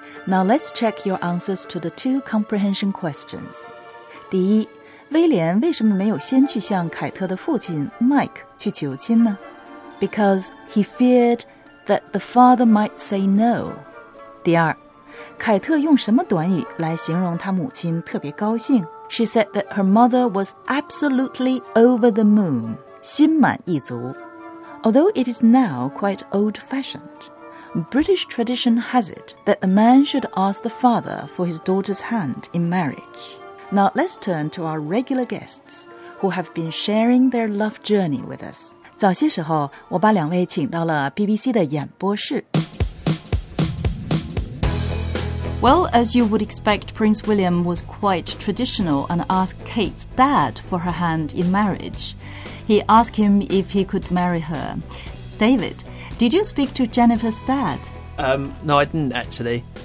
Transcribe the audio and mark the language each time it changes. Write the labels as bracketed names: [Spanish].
[English] Now let's check your answers to the two comprehension questions. [Chinese] 第一，威廉为什么没有先去向凯特的父亲 Mike 去求亲呢？ [English] Because he feared that the father might say no. [Chinese] 第二，凯特用什么短语来形容他母亲特别高兴？ [English] She said that her mother was absolutely over the moon, [Chinese] 心满意足。 [English] Although it is now quite old-fashioned, British tradition has it that a man should ask the father for his daughter's hand in marriage. Now let's turn to our regular guests, who have been sharing their love journey with us. [Chinese] 早些时候，我把两位请到了 BBC 的演播室。 [English] Well, as you would expect, Prince William was quite traditional and asked Kate's dad for her hand in marriage. He asked him if he could marry her. David, did you speak to Jennifer's dad? No, I didn't actually.